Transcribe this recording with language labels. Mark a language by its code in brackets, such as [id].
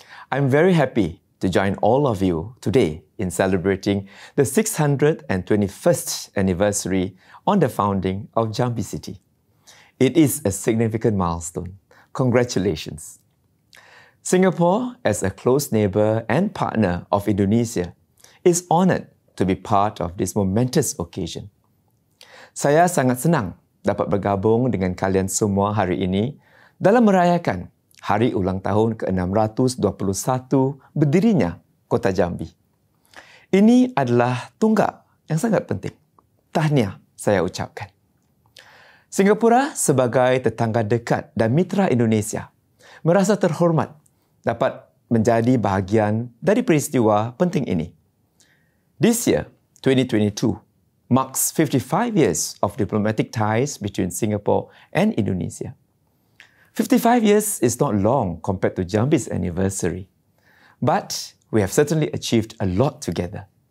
[en] I'm very happy to join all of you today in celebrating the 621st anniversary on the founding of Jambi City. It is a significant milestone. Congratulations. Singapore, as a close neighbor and partner of Indonesia, is honored to be part of this momentous occasion. [id] Saya sangat senang dapat bergabung dengan kalian semua hari ini dalam merayakan hari ulang tahun ke-621 berdirinya Kota Jambi. Ini adalah tunggak yang sangat penting. Tahniah saya ucapkan. Singapura sebagai tetangga dekat dan mitra Indonesia merasa terhormat dapat menjadi bahagian dari peristiwa penting ini. [en] This year, 2022, marks 55 years of diplomatic ties between Singapore and Indonesia. 55 years is not long compared to Jambi's anniversary, but we have certainly achieved a lot together.